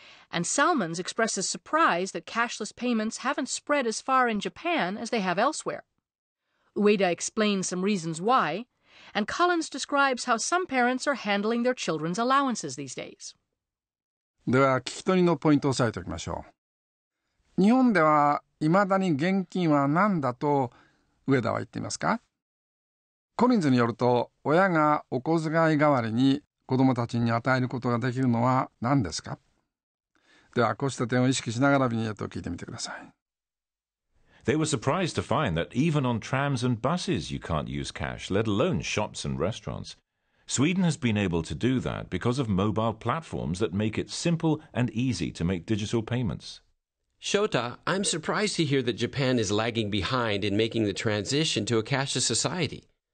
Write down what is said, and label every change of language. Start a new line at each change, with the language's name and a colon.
English: And Salmons expresses surprise that cashless payments haven't spread as far in Japan as they have elsewhere. Ueda explains some reasons why, and Collins describes how some parents are handling their children's allowances these days.
Japanese: では聞き取りのポイントを押さえておきましょう。日本では未だに現金は何だと上田は言っていますか？コリンズによると、親がお小遣い代わりに子供たちに与えることができるのは何ですか？ではこうした点を意識しながらビニエットを聞いてみてください。
English: They were surprised to find that even on trams and buses you can't use cash, let alone shops and restaurants. Sweden has been able to do that because of mobile platforms that make it simple and easy to make digital payments. Shota, I'm surprised to hear that Japan is lagging behind in making the transition to a cashless society.